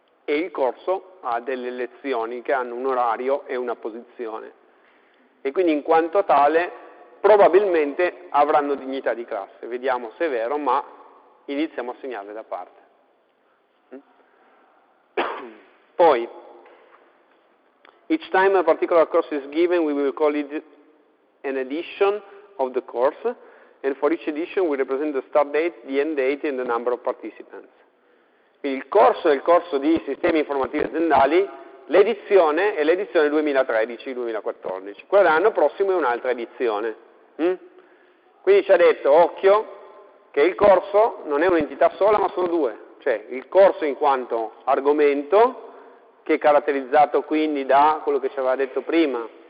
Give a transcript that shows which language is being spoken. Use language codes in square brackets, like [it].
[it] e il corso ha delle lezioni che hanno un orario e una posizione. E quindi in quanto tale probabilmente avranno dignità di classe. Vediamo se è vero, ma iniziamo a segnarle da parte. [en] Poi, each time a particular course is given, we will call it an edition of the course, and for each edition we represent the start date, the end date and the number of participants. [it] Quindi il corso è il corso di sistemi informativi aziendali, l'edizione è l'edizione 2013-2014, quell'anno prossimo è un'altra edizione. Quindi ci ha detto, occhio, che il corso non è un'entità sola ma sono due, cioè il corso in quanto argomento, che è caratterizzato quindi da quello che ci aveva detto prima,